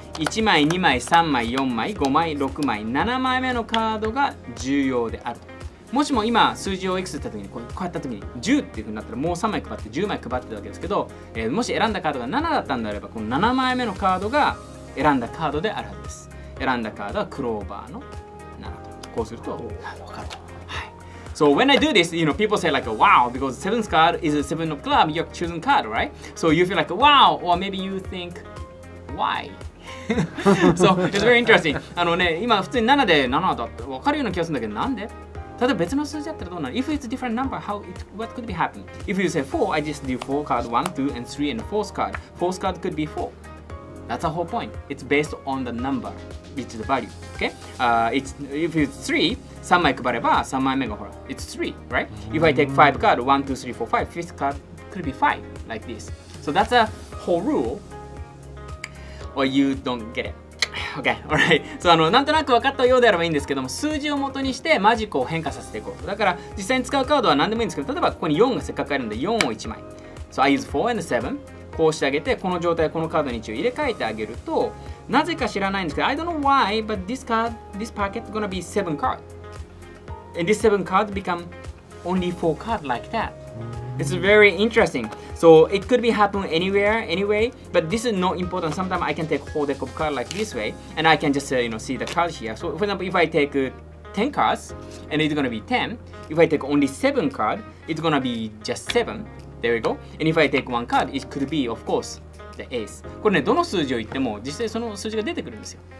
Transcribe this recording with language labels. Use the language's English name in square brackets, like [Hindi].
[Japanese] 1枚、2枚、3枚、4枚、5枚、6枚、7枚目のカードが重要であると。もしも今数字をいくつ打ったときに、こうやったときに10っていうふうになったら、もう3枚配って10枚配ってたわけですけど、もし選んだカードが7だったんであれば、この7枚目のカードが選んだカードであるはずです。選んだカードはクローバーの。こうすると、わかると。はい。 [English] So when I do this, you know, people say like, wow, because seventh card is a seven of club, your chosen card, right? So you feel like, wow, or maybe you think, why? So it's very interesting. [Japanese] ね、今普通に7で7だってわかるような気がするんだけど、なんで？例えば別の数字だったらどうなる？ [English] If it's a different number, how it, what could be happening? If you say 4, I just do 4 card, 1, 2, and 3, and 4th card. 4th card could be 4. That's a whole point. It's based on the number, which is the value. Okay? If it's 3, [Japanese] 3枚配れば3枚目がほら [English] It's 3, right? If I take 5 card, 1, 2, 3, 4, 5, 5th card could be 5, like this. So that's a whole rule. or you don't get it. Okay, alright. [Japanese] So, なんとなく分かったようであればいいんですけども、数字を元にしてマジックを変化させていこうと。だから、実際に使うカードは何でもいいんですけど、例えばここに4がせっかくあるんで、4を1枚。 [English] So, I use 4 and 7. [Japanese] こうしてあげて、この状態、このカードに1を入れ替えてあげると、なぜか知らないんですけど、 [English] I don't know why, but this card, this packet is gonna be 7 cards. And this 7 cards become only 4 cards like that. It's very interesting. So it could be happen anywhere, anyway, but this is not important. Sometimes I can take a whole deck of cards like this way, and I can just see the cards here. So for example, if I take 10 cards, and it's gonna be 10. If I take only 7 cards, it's gonna be just 7. There we go. And if I take 1 card, it could be, of course, the ace. [Japanese] これね、どの数字を言っても、実際その数字が出てくるんですよ。